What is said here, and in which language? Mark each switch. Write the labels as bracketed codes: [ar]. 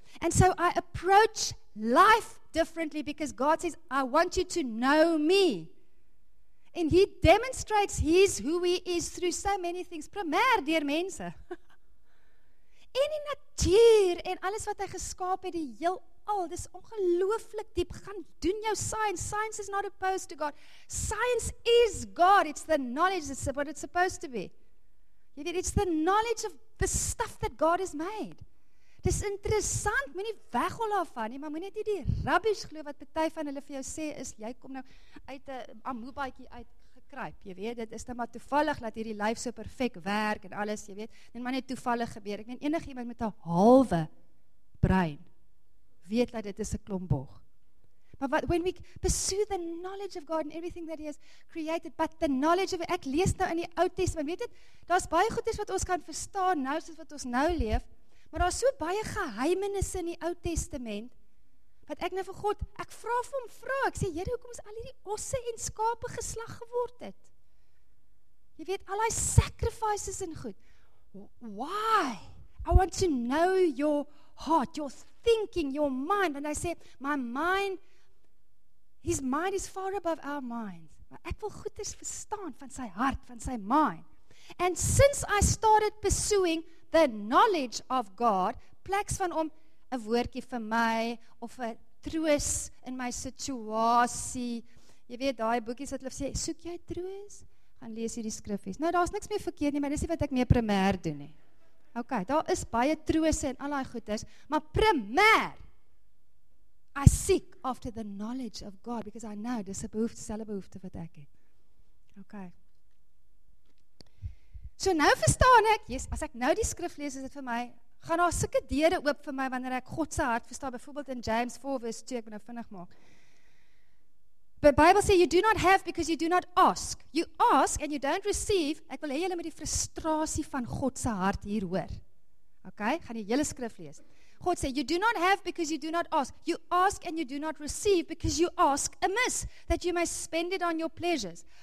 [en] And so I approach life differently because God says, I want you to know me. And he demonstrates he's who he is through so many things, [af] primair deur mense. En die natuur en alles wat hy geskaap het, die heel al, dis ongelooflik diep. Gaan doen jou [en] science. Science is not opposed to God. Science is God. It's the knowledge that's what it's supposed to be. You know, it's the knowledge of the stuff that God has made. [af] Dis interessant, moenie weghol daarvan nie, maar moenie die rubbish glo wat party van hulle vir jou sê is, jy kom nou uit 'n amoebaatjie uit gekruip, jy weet, dit is nou maar toevallig dat hierdie lyf so perfek werk en alles, jy weet, dit maar net toevallig gebeur. Ek meen enigiemand met 'n halwe brein weet dat dit is 'n klomp bog. [en] But what, when we pursue the knowledge of God and everything that he has created, but the knowledge of it, [af] ek lees nou in die Ou Testament, weet dit, daar's baie goeders wat ons kan verstaan nou soos wat ons nou leef. Maar daar is so baie geheimenisse in die Ou Testament, wat ek nou vir God, ek vra vir hom vrae, ek sê, Here, hoekom is al hierdie osse en skape geslag geword het? Jy weet, al die sacrifices en goed. [en] Why? I want to know your heart, your thinking, your mind. And I say, my mind, his mind is far above our minds. [af] Maar ek wil goeders verstaan van sy hart, van sy mind. [en] And since I started pursuing the knowledge of God, [af] plaks van om 'n woordjie vir my of 'n troos in my situasie. Jy weet daai boekies wat hulle sê, soek jy troos? Gaan lees hierdie skrifies. Nou daar's niks meer verkeerd nie, maar dis nie wat ek meer primêr doen nie. Okay, daar is baie troose en al daai goeders, maar primêr [en] I seek after the knowledge of God because I know [af] dis 'n behoefte, selfe behoefte wat ek het. Okay. So nou verstaan ek, yes, as ek nou die skrif lees, is dit vir my, gaan daar sulke deure oop vir my wanneer ek God se hart verstaan, byvoorbeeld in James 4 vers 2, ek moet nou vinnig maak. [en] The Bible says you do not have because you do not ask. You ask and you don't receive. [af] Ek wil hê julle moet die frustrasie van God se hart hier hoor. Okay, gaan die hele skrif lees. God sê [en] you do not have because you do not ask. You ask and you do not receive because you ask amiss that you may spend it on your pleasures.